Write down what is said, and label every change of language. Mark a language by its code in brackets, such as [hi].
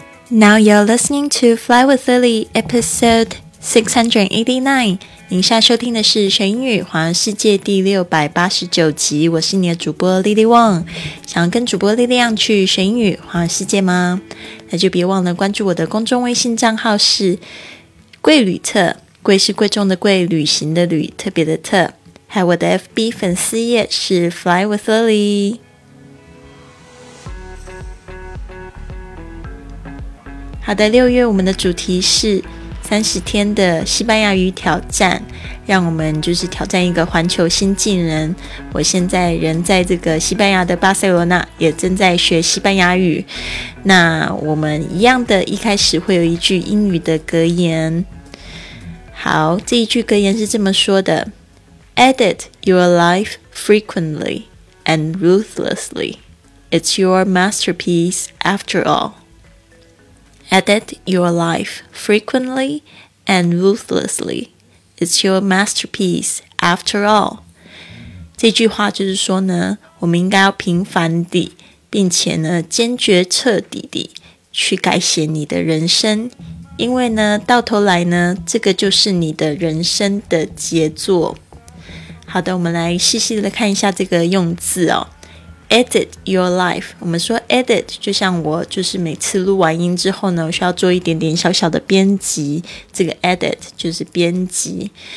[en] Now you're listening to Fly with Lily, episode 689. [zh] 您现在收听的是学英语环游世界第689集，我是你的主播 Lily Wong。想跟主播 Lily Wong 去学英语环游世界吗？那就别忘了关注我的公众微信账号，是贵旅特，贵是贵重的贵，旅行的旅，特别的特。还有我的 FB 粉丝页是 Fly with Lily。好的，六月我们的主题是30天的西班牙语挑战，让我们就是挑战一个环球新进人。我现在人在这个西班牙的巴塞罗那，也正在学西班牙语。那我们一样的，一开始会有一句英语的格言。好，这一句格言是这么说的 [en] Edit your life frequently and ruthlessly. It's your masterpiece after all. Edit your life frequently and ruthlessly. It's your masterpiece after all. [zh] 这句话就是说呢，我们应该要频繁地，并且呢，坚决彻底地去改写你的人生。因为呢，到头来呢，这个就是你的人生的杰作。好的，我们来细细地看一下这个用字哦。 [en] Edit your life， [zh] 我们说 edit 就像我就是每次录完音之后呢，我需要做一点点小小的编辑，这个 edit 就是编辑。